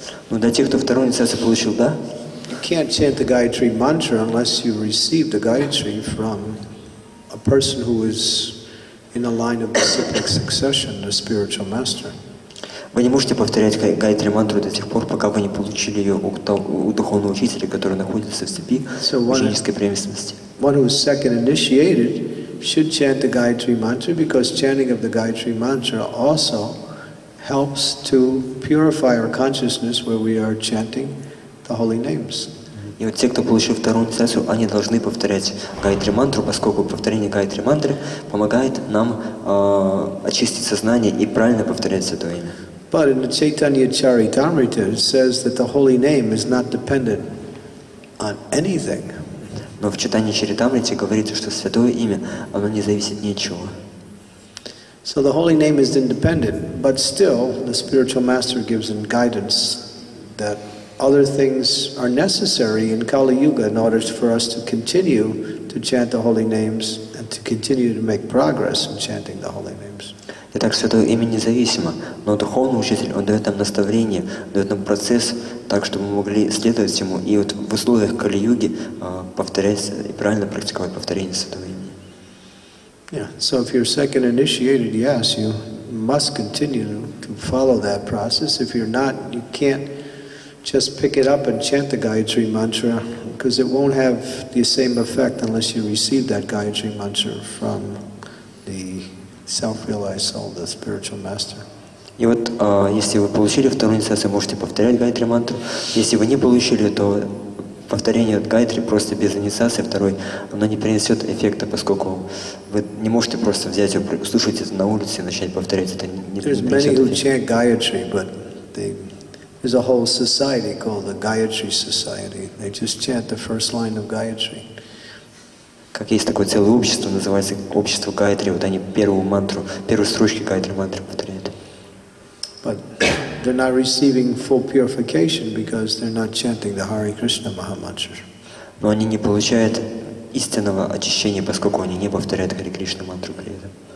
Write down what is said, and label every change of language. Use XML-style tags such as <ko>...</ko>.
<ru>Ну для тех, кто вторую инициацию получил, да?</ru> <en>You can't chant the Gayatri mantra unless you received the Gayatri from a person who is in the line of disciplic succession, the spiritual master.</en> <ru>Вы не можете повторять Гайтри мантру до тех пор, пока вы не получили ее у духовного учителя, который находится в степи ученической преемственности.</ru> <en>One who is second initiated should chant the Gayatri mantra because chanting of the Gayatri mantra also helps to purify our consciousness where we are chanting the holy names.</en> <ru>И вот те, кто получил вторую инициацию, они должны повторять Гайтри мантру, поскольку повторение Гайтри мантры помогает нам очистить сознание и правильно повторять святое имя.</ru> <en>But in the Chaitanya Charitamrita, it says that the holy name is not dependent on anything.</en> <ru>Но в Читании Чаритамрите говорится, что святое имя, оно не зависит ни от чего.</ru> <en>So the holy name is independent, but still the spiritual master gives him guidance that other things are necessary in Kali Yuga in order for us to continue to chant the holy names and to continue to make progress in chanting the holy names.</en> <ru>Итак, святое имя независимо, но духовный учитель, он дает нам наставление, дает нам процесс, так, чтобы мы могли следовать ему и вот в условиях Кали-юги повторять и правильно практиковать повторение святого имени.</ru> <en>Yeah, so if you're second initiated, yes, you must continue to follow that process. If you're not, you can't just pick it up and chant the Gayatri mantra, because it won't have the same effect unless you receive that Gayatri mantra from the self-realized soul, the spiritual master.</en> <ru>И вот, если вы получили вторую инициацию, можете повторять Гайтри мантру. Если вы не получили, то повторение Гайтри просто без инициации второй, оно не принесет эффекта, поскольку вы не можете просто взять ее, слушать это на улице и начать повторять. Это не принесет эффекта.</ru> <en>There's many who chant Gayatri, but there's a whole society called the Gayatri Society. They just chant the first line of Gayatri.</en> <ru>Как есть такое целое общество, называется общество Гайтри, вот они первую мантру, первые строчки Гайтри мантры повторяют.</ru> <en>But they're not receiving full purification because they're not chanting the Hare Krishna Mahamantra.</en> <ru>Но они не получают истинного очищения, поскольку они не повторяют Hare Krishna мантру при этом.</ru>